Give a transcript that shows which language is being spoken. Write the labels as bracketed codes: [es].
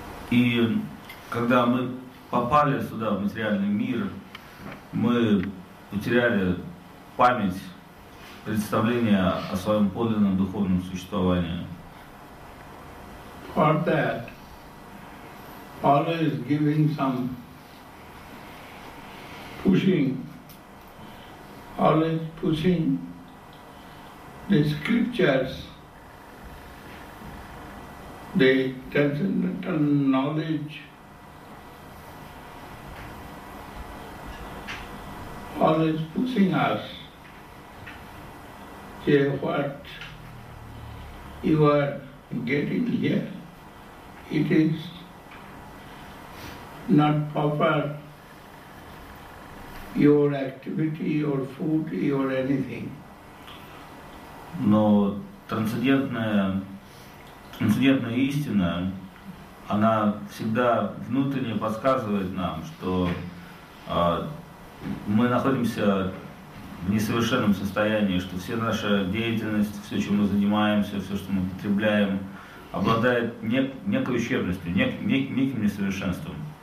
[ru] И когда мы попали сюда, в материальный мир, мы потеряли память, представление о своем подлинном духовном существовании. [en] For that, always giving some pushing, always pushing the scriptures, the transcendental knowledge, always pushing us, say what you are getting here, it is not proper, your activity, your food, your anything. [ru] Но трансцендентная истина, она всегда внутренне подсказывает нам, что мы находимся в несовершенном состоянии, что вся наша деятельность, все, чем мы занимаемся, все, что мы потребляем, обладает некой ущербностью, неким несовершенством.